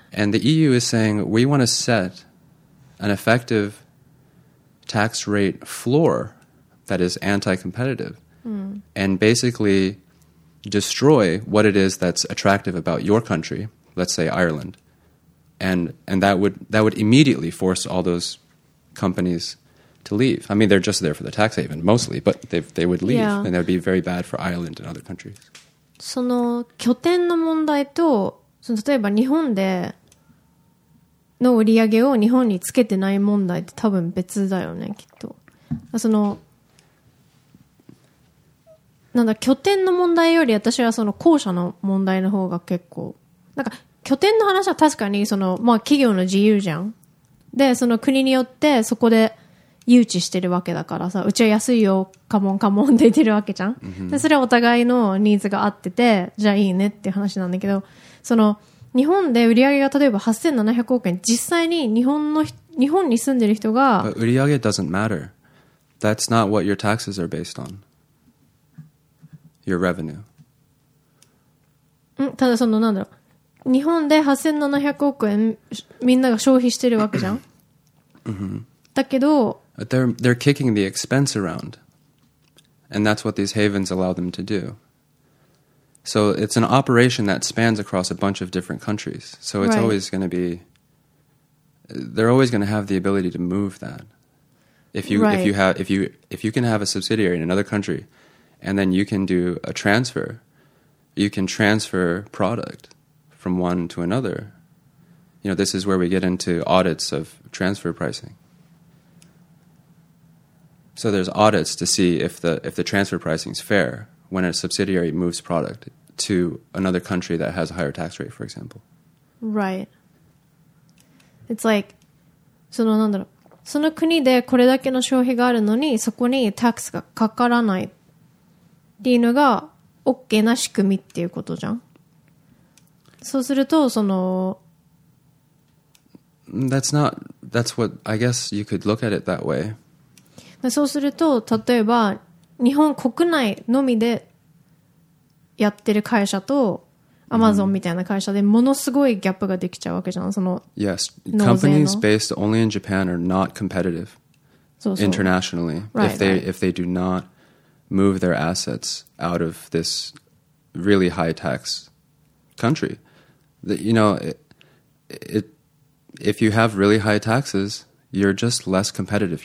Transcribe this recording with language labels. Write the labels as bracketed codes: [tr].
[en] And the EU is saying, we want to set an effectiveTax rate floor that is anti-competitive and basically destroy what it is that's attractive about your country, let's say Ireland, and that would immediately force all those companies to leave. I mean, they're just there for the tax haven mostly, but they would leave and that would be very bad for Ireland and other countries. [ja] その拠点の問題と、その例えば日本でその売り上げを日本につけてない問題って多分別だよね、きっと。そのなんだ、拠点の問題より私はその後者の問題の方が結構、なんか拠点の話は確かにその、まあ、企業の自由じゃん。でその国によってそこで誘致してるわけだからさ、うちは安いよカモンカモンって言ってるわけじゃん。でそれはお互いのニーズが合っててじゃあいいねっていう話なんだけど、その日本で売り上げが例えば8700億円、実際に日本に住んでる人が、 [en] 売り上げ doesn't matter. That's not what your taxes are based on. Your revenue. [ja] ん、ただそのなんだろう、日本で8700億円みんなが消費してるわけじゃん。だけど、 [en] But they're kicking the expense around, and that's what these havens allow them to do. So it's an operation that spans across a bunch of different countries. So it's always going to be, they're always going to have the ability to move that. If you can have a subsidiary in another country, and then you can do a transfer, you can transfer product from one to another. You know, this is where we get into audits of transfer pricing. So there's audits to see if the transfer pricing is fair when a subsidiary moves product to another country that has a higher tax rate, for example. Right. It's like, [ja] そのなんだろう、その国でこれだけの消費があるのにそこにタックスがかからないっていうのが OK な仕組みっていうことじゃん。そうするとその [en] That's what I guess you could look at it that way. [ja] そうすると例えば日本国内のみでやってる会社とアマゾンみたいな会社でものすごいギャップができちゃうわけじゃん。その [en] Yes, companies based only in Japan are not competitive. internationally right, if they do not move their assets out of this really high tax country. You know, if you have really high taxes, you're just less competitive.